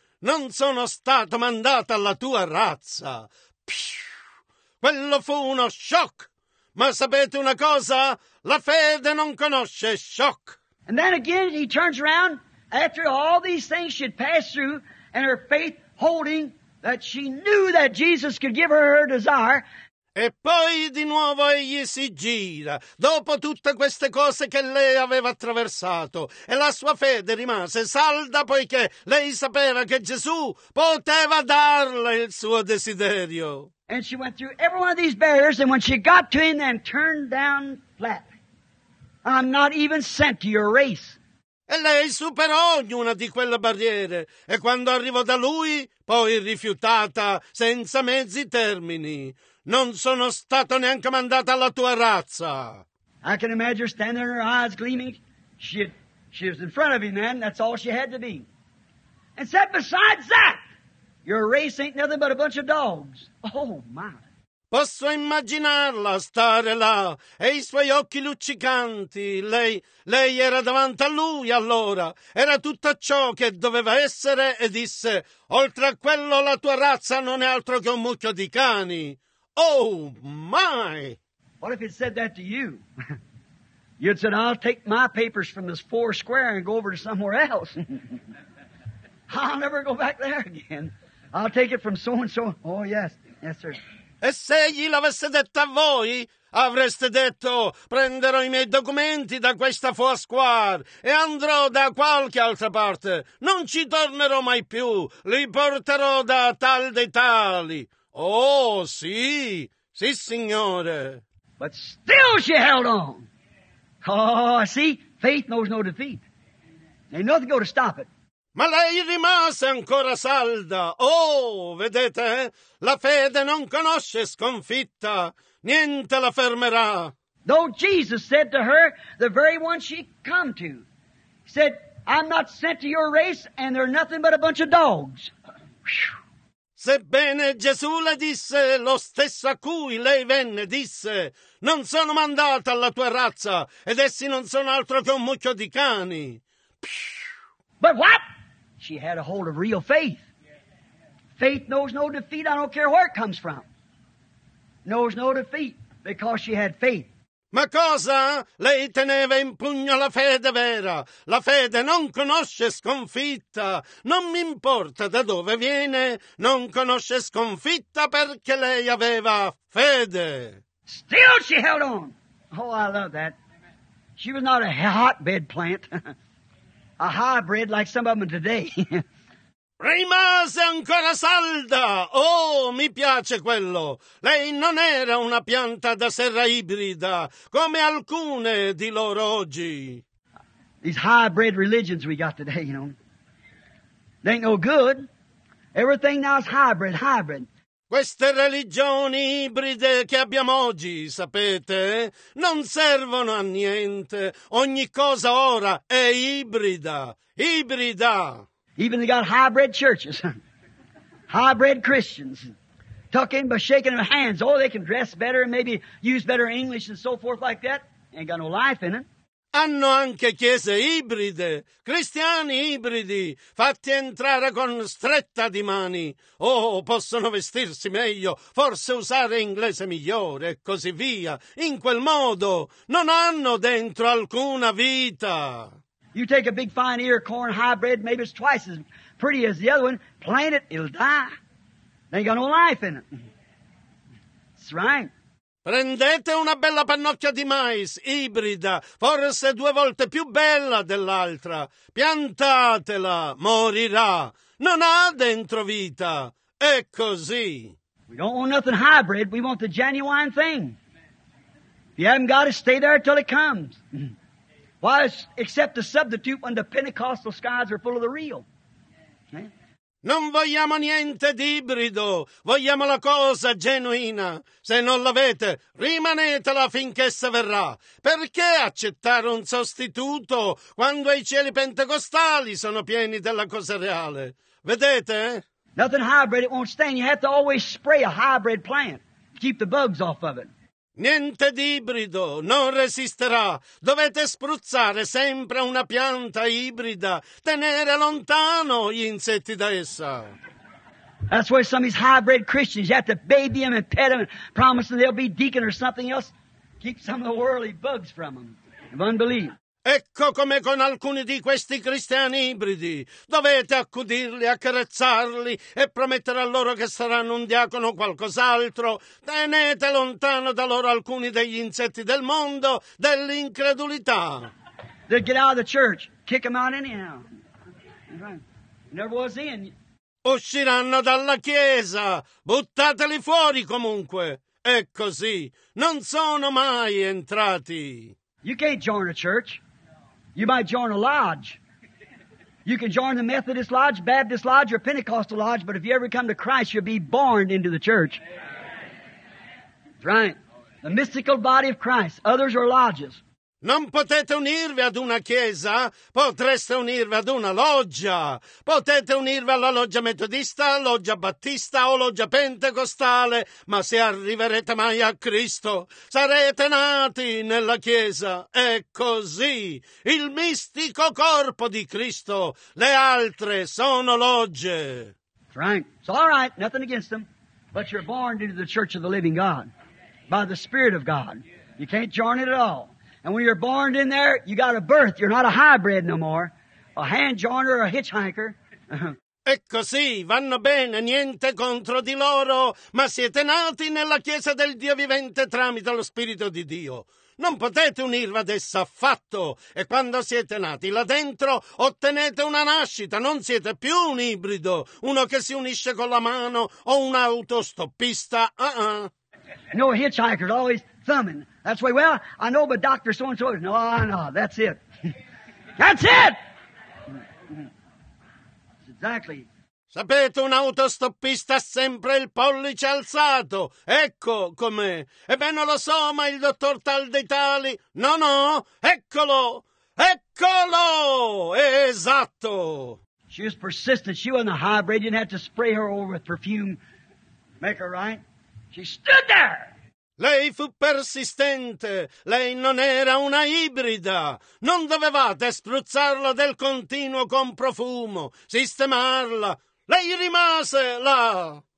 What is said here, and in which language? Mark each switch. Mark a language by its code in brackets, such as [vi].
[it] Non sono stato mandato alla tua razza. Quello fu uno shock. Ma sapete una cosa? La fede non conosce shock. [en] And then again he turns around after all these things she had passed through and her faith holding that she knew that Jesus could give her her desire. [it] E poi di nuovo egli si gira, dopo tutte queste cose che lei aveva attraversato, e la sua fede rimase salda poiché lei sapeva che Gesù poteva darle il suo desiderio. [en] And she went through every one of these barriers, and when she got to him, then turned down flat. I'm not even sent to your race. [it] E lei superò ognuna di quelle barriere, e quando arrivò da lui, poi rifiutata, senza mezzi termini. Non sono stato neanche mandata alla tua razza. [en] I can imagine her standing there, her eyes gleaming. She was in front of him, man. That's all she had to be. And said, besides that, your race ain't nothing but a bunch of dogs. Oh, my. [it] Posso immaginarla stare là e i suoi occhi luccicanti. Lei era davanti a lui allora. Era tutto ciò che doveva essere e disse, oltre a quello la tua razza non è altro che un mucchio di cani. [en] Oh, my! What if it said that to you? You'd said, I'll take my papers from this four square and go over to somewhere else. I'll never go back there again. I'll take it from so-and-so. Oh, yes. Yes, sir. [it] E se egli l'avesse detto a voi, avreste detto, prenderò i miei documenti da questa four square e andrò da qualche altra parte. Non ci tornerò mai più. Li porterò da tal dei tali. Oh, sì, sì, signore. [en] But still she held on. Oh, see, faith knows no defeat. Ain't nothing going to stop it. [it] Ma lei rimase ancora salda. Oh, vedete, la fede non conosce sconfitta. Niente la fermerà. [en] Though Jesus said to her, the very one she come to, said, I'm not sent to your race, and they're nothing but a bunch of dogs. Whew. [it] Sebbene Gesù le disse lo stesso a cui lei venne, disse, non sono mandata alla tua razza, ed essi non sono altro che un mucchio di cani. [en] But what? She had a hold of real faith. Faith knows no defeat, I don't care where it comes from. Knows no defeat, because she had faith. [it] Ma cosa? Lei teneva in pugno la fede vera. La fede non conosce sconfitta. Non mi importa da dove viene, non conosce sconfitta perché lei aveva fede. [en] Still she held on. Oh, I love that. She was not a hotbed plant. A hybrid like some of them today. [it] Rimase ancora salda. Oh, mi piace quello. Lei non era una pianta da serra ibrida, come alcune di loro oggi. [en] These hybrid religions we got today, you know. They ain't no good. Everything now is hybrid, hybrid. [it] Queste religioni ibride che abbiamo oggi, sapete, non servono a niente. Ogni cosa ora è ibrida, ibrida. [en] Even they got hybrid churches, hybrid Christians, talking but shaking their hands. Oh, they can dress better and maybe use better English and so forth like that. Ain't got no life in it. [it] Hanno anche chiese ibride, cristiani ibridi, fatti entrare con stretta di mani. Oh, possono vestirsi meglio, forse usare inglese migliore e così via. In quel modo non hanno dentro alcuna vita. [en] You take a big fine ear corn hybrid, maybe it's twice as pretty as the other one, plant it, it'll die. They ain't got no life in it. That's right. [it] Prendete una bella pannocchia di mais, ibrida, forse due volte più bella dell'altra. Piantatela, morirà. Non ha dentro vita. È così. [en] We don't want nothing hybrid. We want the genuine thing. If you haven't got it, stay there till it comes. Why accept a substitute when the Pentecostal skies are full of the real? [it] Non vogliamo niente di ibrido, vogliamo la cosa genuina. Se non l'avete, rimanetela finché essa verrà. Perché accettare un sostituto quando i cieli pentecostali sono pieni della cosa reale? Vedete? [en] Nothing hybrid, it won't stand. You have to always spray a hybrid plant to keep the bugs off of it. [it] Niente di ibrido, non resisterà. Dovete spruzzare sempre una pianta ibrida, tenere lontano gli insetti da essa. [en] That's why some of these hybrid Christians, you have to baby them and pet them and promise them they'll be deacon or something else. Keep some of the worldly bugs from them, of unbelief. [it] Ecco come con alcuni di questi cristiani ibridi. Dovete accudirli, accarezzarli e promettere a loro che saranno un diacono o qualcos'altro. Tenete lontano da loro alcuni degli insetti del mondo, dell'incredulità. [en] They get out of the church, kick them out anyhow. Never was in. [it] Usciranno dalla chiesa, buttateli fuori comunque. È così, non sono mai entrati. [en] You can't join a church. You might join a lodge. You can join the Methodist lodge, Baptist lodge, or Pentecostal lodge, but if you ever come to Christ, you'll be born into the church. That's right. The mystical body of Christ. Others are lodges. [it] Non potete unirvi ad una chiesa, potreste unirvi ad una loggia. Potete unirvi alla loggia metodista, loggia battista o loggia pentecostale, ma se arriverete mai a Cristo, sarete nati nella chiesa. È così, il mistico corpo di Cristo, le altre sono logge. [en] Frank, it's all right, nothing against them, but you're born into the church of the living God, by the Spirit of God. You can't join it at all. And when you're born in there, you got a birth. You're not a hybrid no more. A hand joiner or a hitchhiker. [it] E così, vanno bene, niente contro di loro, ma siete nati nella Chiesa del Dio vivente tramite lo Spirito di Dio. Non potete unirvi ad essa affatto. E quando siete nati là dentro, ottenete una nascita. Non siete più un ibrido, uno che si unisce con la mano o un autostoppista. [en] No, a hitchhiker is always thumbing. That's why, well, I know, but Dr. So-and-so is, no, that's it. That's it! That's exactly. [it] Sapete, un autostoppista ha sempre il pollice alzato. Ecco com'è. Ebbene, lo so, ma il dottor tal dei tali, no, eccolo! Eccolo! Esatto! [en] She was persistent. She wasn't a hybrid. You didn't have to spray her over with perfume. Make her right. She stood there! [it] Lei fu persistente, lei non era una ibrida, non dovevate spruzzarla del continuo con profumo, sistemarla, lei rimase là.